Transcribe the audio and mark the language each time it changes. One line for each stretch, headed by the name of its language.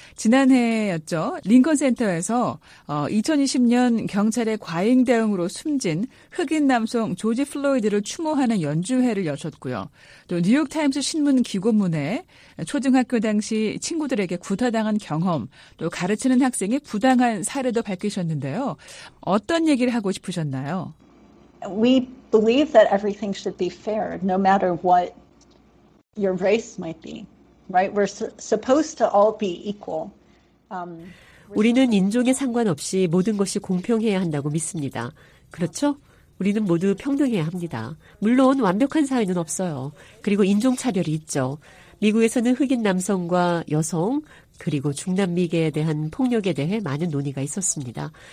Korean: 지난해였죠. 링컨센터에서 2020년 경찰의 과잉 대응으로 숨진 흑인 남성 조지 플로이드를 추모하는 연주회를 여셨고요. 또 뉴욕타임스 신문 기고문에 초등학교 당시 친구들에게 구타당한 경험, 또 가르치는 학생의 부당한 사례도 밝히셨는데요. 어떤 얘기를 하고 싶으셨나요?
English: We believe that everything should be fair, no matter what your race might be, right? We're supposed to all be equal.
Korean: 우리는 인종에 상관없이 모든 것이 공평해야 한다고 믿습니다. 그렇죠? 우리는 모두 평등해야 합니다. 물론 완벽한 사회는 없어요. 그리고 인종차별이 있죠. 미국에서는 흑인 남성과 여성, 그리고 중남미계에 대한 폭력에 대해 많은 논의가 있었습니다.